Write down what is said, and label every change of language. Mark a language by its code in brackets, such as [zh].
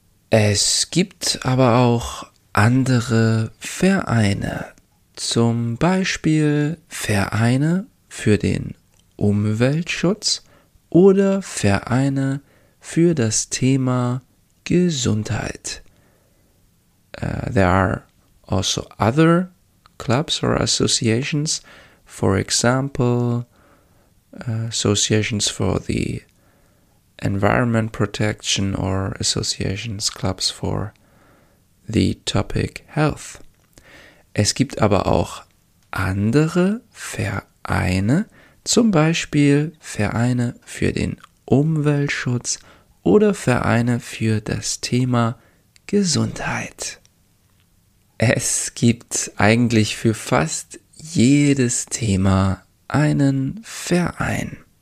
[de] Es gibt aber auch andere Vereine, zum Beispiel Vereine für den Umweltschutz oder Vereine für das Thema Gesundheit. [en] There are also other clubs or associations, for example, associations for the environment protection or associations, clubs for the topic health. [de] Es gibt aber auch andere Vereine, zum Beispiel Vereine für den Umweltschutz oder Vereine für das Thema Gesundheit. Es gibt eigentlich für fast jedes Thema einen Verein.